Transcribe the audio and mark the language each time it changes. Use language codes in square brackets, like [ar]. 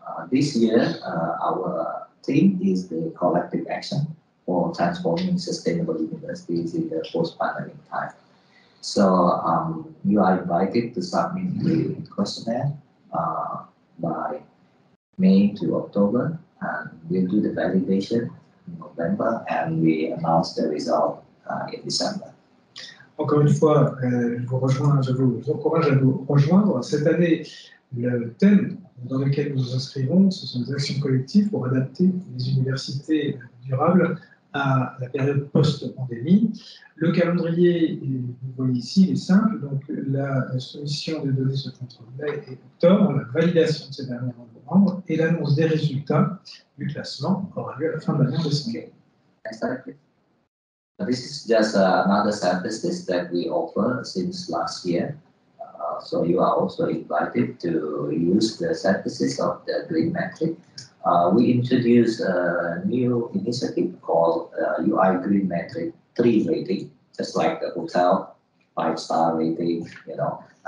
[en] This year, our theme is the collective action for transforming sustainable universities in the post-pandemic time. So you are invited to submit the questionnaire by May to October, and we'll do the validation in November, and we announce the result in December. [fr] Encore une fois, je vous encourage à vous rejoindre. Cette année, le thème dans lequel nous nous inscrivons, ce sont des actions collectives pour adapter les universités durables à la période post-pandémie. Le calendrier, vous voyez ici, est simple. Donc, la soumission des données se fait entre mai et octobre, la validation de ces dernières en novembre et l'annonce des résultats du classement aura lieu à la fin de l'année de décembre. [en] This is just another service that we offer since last year. So you are also invited to use the services of the Green Metric. We introduced a new initiative called UI Green Metric 3 rating, just like the hotel 5-star rating, you know.